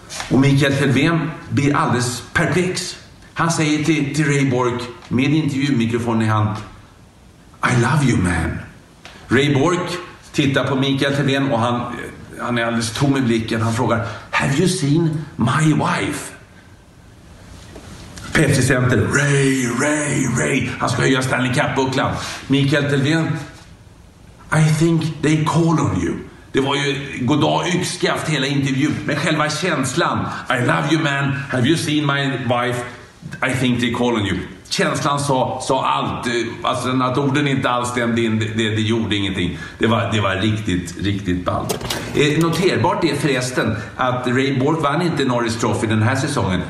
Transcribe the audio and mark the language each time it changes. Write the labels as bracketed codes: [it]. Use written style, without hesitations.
[sv] Och Mikael Telvén blir alldeles perplex. Han säger till Ray Bourque med intervjumikrofon i hand: [en] I love you, man. [sv] Ray Bourque tittar på Mikael Telvén och han är alldeles tom i blicken. Han frågar: [en] Have you seen my wife? Pepsi Center: Ray, Ray, Ray. [sv] Han ska höja Stanley Cup-bucklan. [en] Mikael Telvén: I think they call on you. [sv] Det var ju goddag yxskaft hela intervjun. Men själva känslan: [en] I love you, man. Have you seen my wife? I think they call on you. [sv] Känslan sa allt. Alltså att orden inte alls stämde in, det gjorde ingenting. Det var riktigt, riktigt ballt. Noterbart är förresten att Ray Bourque vann inte Norris Trophy den här säsongen.